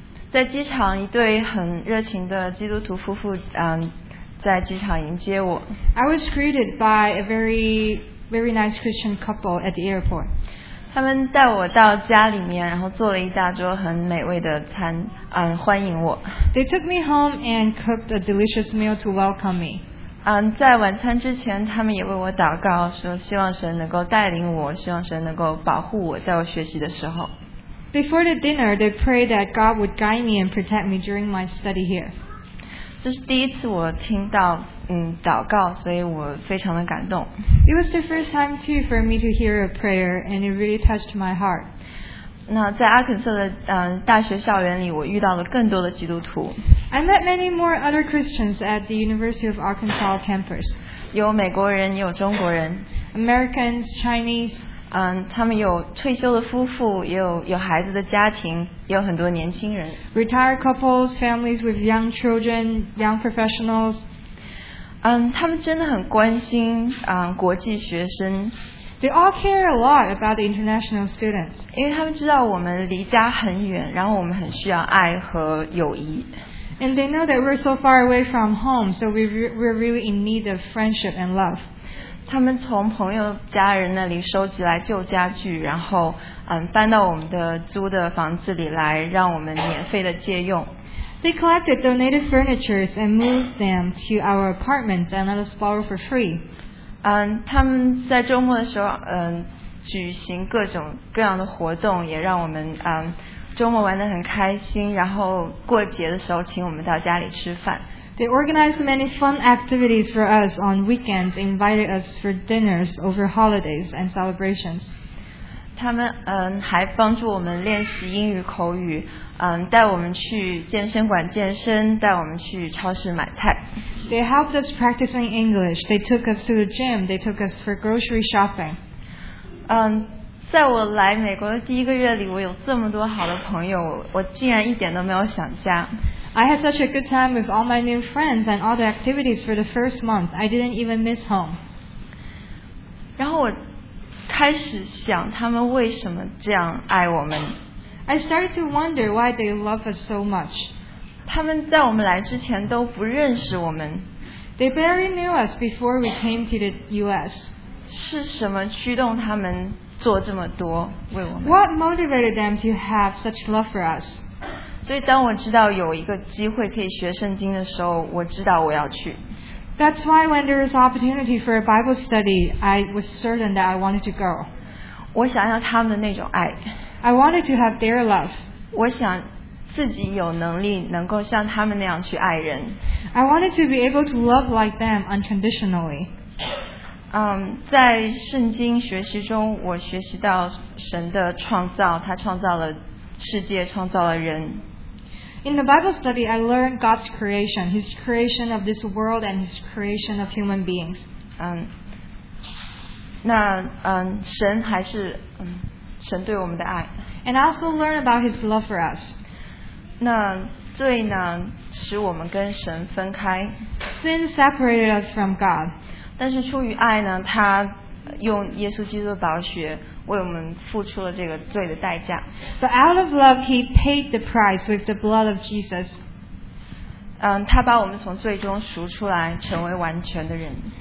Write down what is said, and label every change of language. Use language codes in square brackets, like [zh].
[zh] 在机场一对很热情的基督徒夫妇在机场迎接我。 [en] I was greeted by a very, very nice Christian couple at the airport. [zh] 他们带我到家里面，然后做了一大桌很美味的餐，欢迎我。 [en] They took me home and cooked a delicious meal to welcome me. [zh] 在晚餐之前他们也为我祷告，说希望神能够带领我，希望神能够保护我在我学习的时候。 [en] Before the dinner, they prayed that God would guide me and protect me during my study here. [zh] 这是第一次我听到祷告，所以我非常的感动。 [en] It was the first time too for me to hear a prayer and it really touched my heart. [zh] 那在阿肯色的大学校园里我遇到了更多的基督徒。 [en] I met many more other Christians at the University of Arkansas campus. [zh] 有美国人，也有中国人。 [en] Americans, Chinese. [zh] 他们有退休的夫妇，也有孩子的家庭，也有很多年轻人。 [en] Retired couples, families with young children, young professionals. [zh] 他们真的很关心国际学生。 [en] They all care a lot about the international students. [zh] 因为他们知道我们离家很远，然后我们很需要爱和友谊。 [en] And they know that we're so far away from home, so we're really in need of friendship and love. [zh] 他们从朋友家人那里收集来旧家具，然后搬到我们的租的房子里来，让我们免费的借用。 [en] They collected donated furnitures and moved them to our apartments and let us borrow for free. [zh] 他们在周末的时候举行各种各样的活动，也让我们周末玩得很开心，然后过节的时候请我们到家里吃饭。 [en] They organized many fun activities for us on weekends, invited us for dinners over holidays and celebrations. [zh] 他们还帮助我们练习英语口语，带我们去健身馆健身，带我们去超市买菜。 [en] They helped us practicing English. They took us to the gym. They took us for grocery shopping. [zh] 在我来美国的第一个月里，我有这么多好的朋友，我竟然一点都没有想家。 [en] I had such a good time with all my new friends and all the activities for the first month. I didn't even miss home. [zh] 然后我开始想他们为什么这样爱我们。 [en] I started to wonder why they love us so much. [zh] 他们在我们来之前都不认识我们。 [en] They barely knew us before we came to the U.S. [zh] 是什么驱动他们？做这么多为我们。 [en] What motivated them to have such love for us? [zh] 所以当我知道有一个机会可以学圣经的时候，我知道我要去。 [en] That's why when there is opportunity for a Bible study, I was certain that I wanted to go. [zh] 我想要他们的那种爱。 [en] I wanted to have their love. [zh] 我想自己有能力能够像他们那样去爱人。 [en] I wanted to be able to love like them unconditionally. [zh] 在圣经学习中，我学习到神的创造，他创造了世界，创造了人。 [en] In the Bible study, I learned God's creation, His creation of this world and His creation of human beings. [zh] 神还是神对我们的爱。 [en] And I also learned about His love for us. [zh] 那罪呢，使我们跟神分开。 [en] Sin separated us from God. [zh] 但是出于爱呢，他用耶稣基督的宝血为我们付出了这个罪的代价。 [en] But out of love, He paid the price with the blood of Jesus. [zh] 他把我们从罪中赎出来，成为完全的人。